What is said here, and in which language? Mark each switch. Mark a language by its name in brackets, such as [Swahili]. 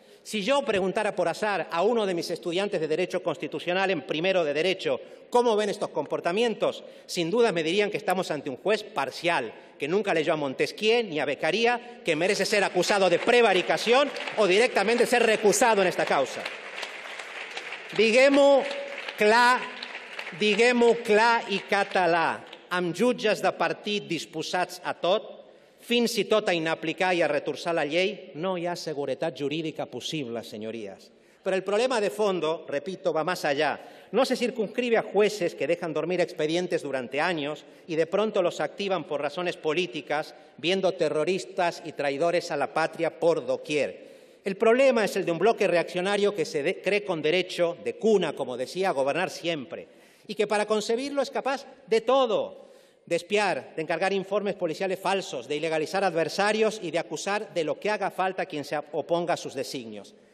[Spanish] Si yo preguntara por azar a uno de mis estudiantes de Derecho Constitucional en primero de Derecho cómo ven estos comportamientos, sin duda me dirían que estamos ante un juez parcial, que nunca leyó a Montesquieu ni a Beccaria, que merece ser acusado de prevaricación o directamente ser recusado en esta causa. [Catalan] Diguem-ho clar i català, amb jutges de partit disposats a tot, fins i tot a inaplicar i a retorçar la llei, no hi ha seguretat jurídica possible, senyories. [Spanish] Però el problema de fondo, repito, va más allá. No se circunscribe a jueces que dejan dormir expedientes durante años y de pronto los activan por razones políticas, viendo terroristas y traidores a la patria por doquier. El problema es el de un bloque reaccionario que se cree con derecho de cuna, como decía, a gobernar siempre, y que para concebirlo es capaz de todo: de espiar, de encargar informes policiales falsos, de ilegalizar adversarios y de acusar de lo que haga falta a quien se oponga a sus designios.